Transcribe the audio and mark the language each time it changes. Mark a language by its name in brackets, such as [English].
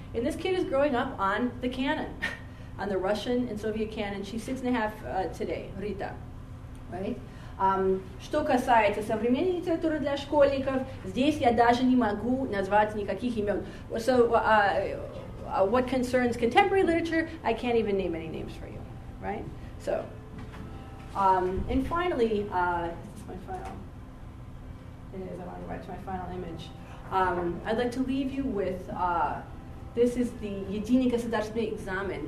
[English] And this kid is growing up on the canon, on the Russian and Soviet canon. She's 6.5 today, Rita, right? [Russian] Что касается современной литературы для школьников, здесь я даже не могу назвать никаких имен. [English] So what concerns contemporary literature, I can't even name any names for you, right? So, and finally, this is my final. It is. I want to write to my final image. I'd like to leave you with, this is the Yedini Gosudarstvenny Ekzamen.